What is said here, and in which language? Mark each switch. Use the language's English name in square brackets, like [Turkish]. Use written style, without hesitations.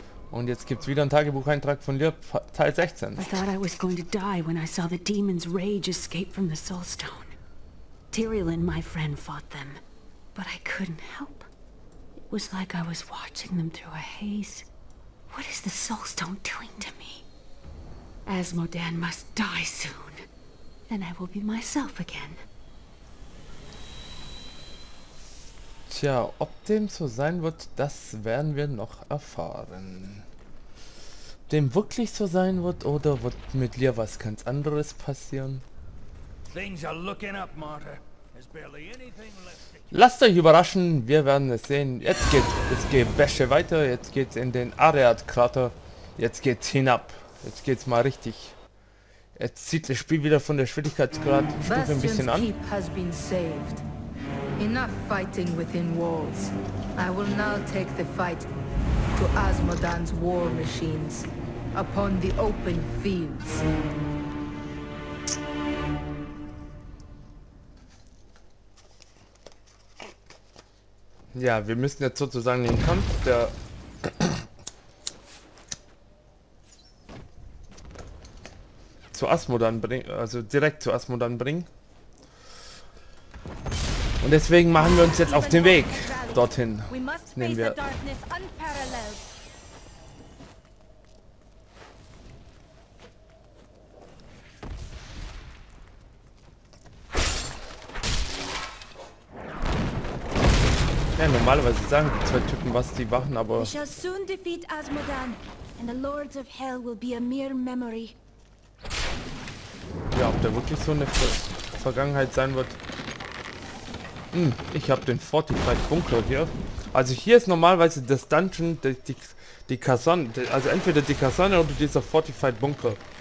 [German] Und jetzt gibt's wieder einen Tagebucheintrag von Lyr, Teil 16. [English] I thought I was going to die when I saw the demon's rage escape from the Soulstone. Tyrael and my friend fought them, but I couldn't help. It was like I was watching them through a haze. What is the Soulstone doing to me? Asmodan must die soon. Then I will be myself again. [German] Tja, ob dem so sein wird, das werden wir noch erfahren. dem wirklich so sein wird oder wird mit Lia was ganz anderes passieren? [English] Things are looking up, Martyr. There's barely anything left. [German] Lasst euch überraschen, wir werden es sehen. Jetzt geht es Gebäsche weiter, jetzt geht's in den Areat-Krater. Jetzt geht's hinab. Jetzt geht's mal richtig. Jetzt zieht das Spiel wieder von der Schwierigkeitsgradstufe ein bisschen an. [English] Keep has been saved. Enough fighting within walls. I will now take the fight to Asmodan's war machines upon the open fields. [German] Ja, wir müssen jetzt sozusagen den Kampf der zu Asmodan bringen, also direkt zu Asmodan bringen. Und deswegen machen wir uns jetzt auf den Weg dorthin. Nehmen wir. Ja, normalerweise sagen die zwei Typen, was die machen, aber... [English] We shall soon defeat Asmodan, and the Lords of Hell will be a mere memory. [German] Ja, ob der wirklich so eine Vergangenheit sein wird. Ich habe den Fortified Bunker hier. Also hier ist normalerweise das Dungeon, die Kasern, also entweder die Kasern oder dieser Fortified Bunker.